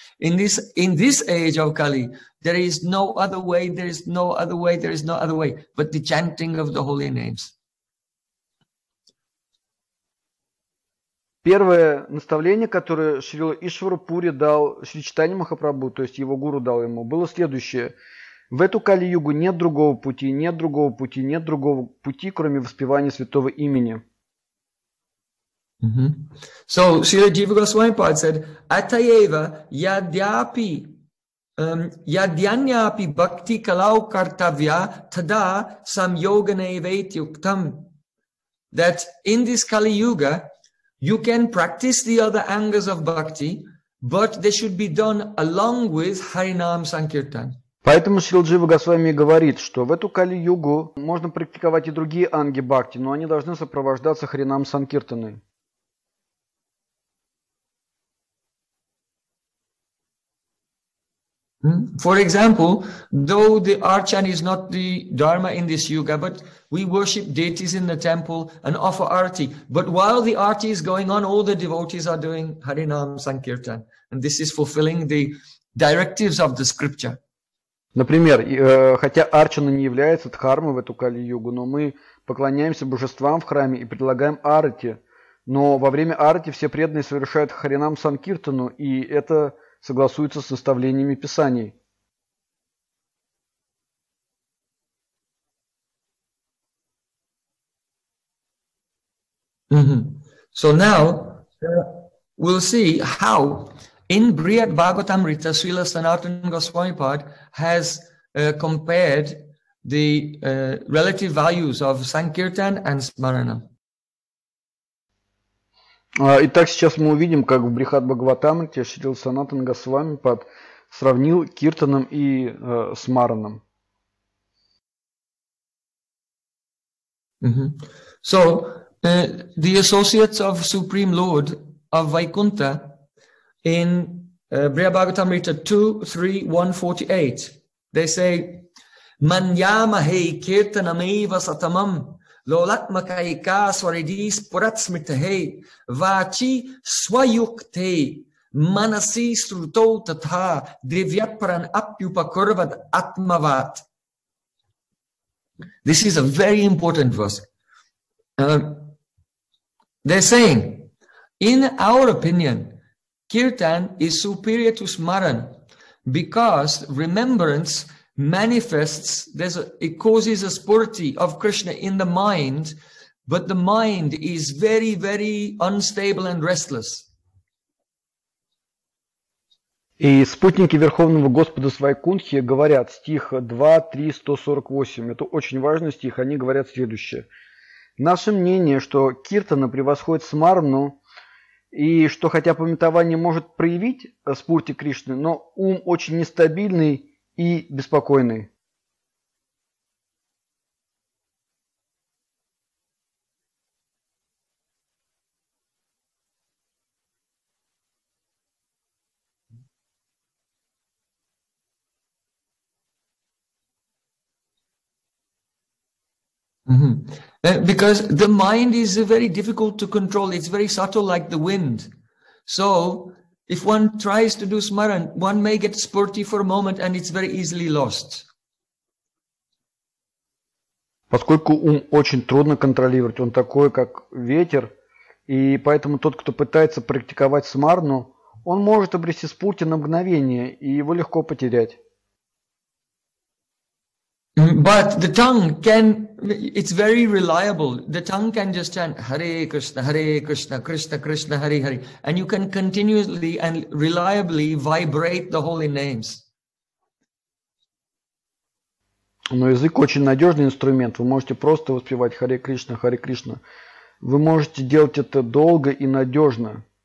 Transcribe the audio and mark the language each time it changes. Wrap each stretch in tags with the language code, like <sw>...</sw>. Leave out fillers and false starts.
<en>In this age of Kali, there is no other way, there is no other way, there is no other way, but the chanting of the holy names.</en> <ru>Первое наставление, которое Шрила Ишвара Пури дал Шри Чайтанья Махапрабху, то есть его гуру дал ему, было следующее. В эту Кали-Югу нет другого пути, нет другого пути, нет другого пути, кроме воспевания святого имени.</ru> <en>Mm-hmm. So, Srila Jiva Goswami Pad said,</en> <sa>Atayeva yadyapi, yadyanyapi bhakti kalau kartavya tada samyogane vetyuktam.</sa> <en>That in this Kali-Yuga, you can practice the other angas of bhakti, but they should be done along with Harinam Sankirtan.</en> <ru>Поэтому Шрила Джива Госвами говорит, что в эту Кали-Югу можно практиковать и другие анги бхакти, но они должны сопровождаться Харинам Санкиртаной.</ru> <en>For example, though the archan is not the dharma in this yuga, but we worship deities in the temple and offer arati. But while the arati is going on, all the devotees are doing Harinam Sankirtan. And this is fulfilling the directives of the scripture.</en> <ru>Например, хотя арчана не является дхармой в эту кали-югу, но мы поклоняемся божествам в храме и предлагаем арати. Но во время арати все преданные совершают Харинам Санкиртану, и это согласуется с наставлениями Писаний.</ru> <en>So now we'll see how in Brihat Bhagavatamrita Srila Sanatana Goswami Pad has compared the relative values of Sankirtan and Smarana.</en> <ru>Итак, сейчас мы увидим, как в Брихат Бхагаватамрите Шрила Санатана Госвами Пад сравнил киртаном и смараном.</ru> <en>So, the associates of Supreme Lord of Vaikuntha in Brihat Bhagavatamrita 2.3.148, they say,</en> <sa>Manyamahe kirtanameva satamam. Lolatmakaika swaridis puratsmitahe vachi swayukte manasi struto tatha divyatparan apyupakurvat atmavat.</sa> <en>This is a very important verse. They're saying, in our opinion, kirtan is superior to smaran because remembrance manifests, it causes a spurti of Krishna in the mind, but the mind is very, very unstable and restless.</en> <ru>И спутники Верховного Господа Свайкунхи говорят, стих 2.3.148, это очень важный стих, они говорят следующее. Наше мнение, что киртана превосходит смарну, и что хотя памятование может проявить спурти Кришны, но ум очень нестабильный, и беспокойный.</ru> <en>Because the mind is very difficult to control. It's very subtle, like the wind. So if one tries to do smaran, one may get spurti for a moment and it's very easily lost.</en> <ru>Поскольку ум очень трудно контролировать, он такой, как ветер, и поэтому тот, кто пытается практиковать смарну, он может обрести спурти на мгновение, и его легко потерять.</ru> <en>But the tongue can, it's very reliable. The tongue can just chant Hare Krishna, Krishna Krishna, Hare Hare, and you can continuously and reliably vibrate the holy names.</en> <ru>Но язык очень надежный инструмент. Вы можете просто воспевать Hare Krishna, Hare Krishna. Вы можете делать это долго и надежно.</ru>